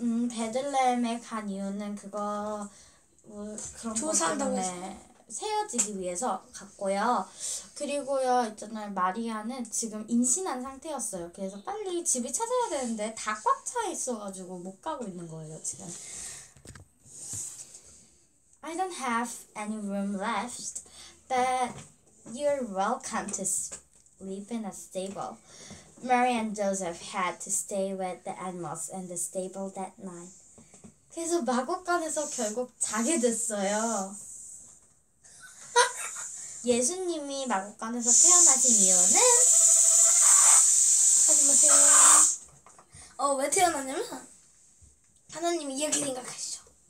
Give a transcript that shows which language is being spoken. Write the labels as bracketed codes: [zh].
[ko] 베들레헴에 간 이유는 그거 그런 조사한다고 해서 세워지기 위해서 갔고요. 그리고요 있잖아요. 마리아는 지금 임신한 상태였어요. 그래서 빨리 집을 찾아야 되는데 다 꽉 차 있어가지고 못 가고 있는 거예요 지금. [en] I don't have any room left, but you're welcome to sleep in a stable. Mary and Joseph had to stay with the animals in the stable that night. [ko] 그래서 마곡간에서 결국 자게 됐어요. 예수님이 마곡간에서 태어나신 이유는? 하지 마세요. 왜 태어났냐면 하나님이 이렇게 생각하시죠.